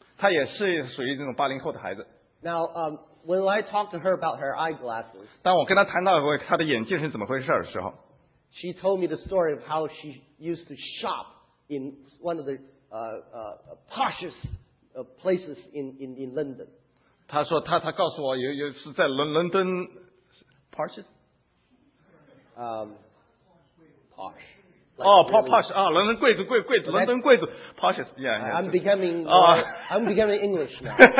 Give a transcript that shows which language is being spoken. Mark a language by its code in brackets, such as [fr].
[zh] 她也是属于那种80后的孩子。 [en] Now, when I talk to her about her eyeglasses, [zh] 当我跟她谈到过她的眼镜是怎么回事的时候 [en] She told me the story of how she used to shop in one of the poshest places in London. [zh] 她告诉我也是在伦敦 [en] posh Posh. Like, oh, posh. [zh] Ah, London 贵族贵贵族伦敦贵族 posh. [en] Yeah, yeah. I'm becoming English now.